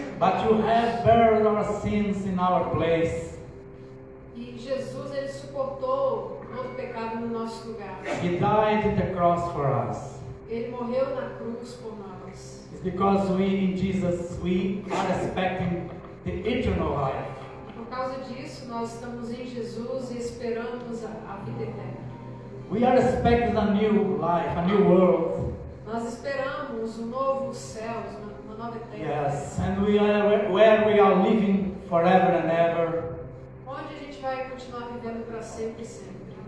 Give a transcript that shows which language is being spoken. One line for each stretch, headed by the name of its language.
English: But you have buried our sins in our place.
Portuguese: E Jesus, ele suportou todo pecado no nosso lugar.
English: He died at the cross for us.
Portuguese: Ele morreu na cruz por nós.
English: It's because we in Jesus we are expecting the eternal life.
Portuguese: Por causa disso, nós estamos em Jesus e esperamos a vida eterna.
English: We are expecting a new life, a new world.
Portuguese: Nós esperamos um novo céu, uma nova terra.
English: Yes, and we are where we are living forever and ever.
Portuguese: Onde a gente vai continuar vivendo para sempre e sempre?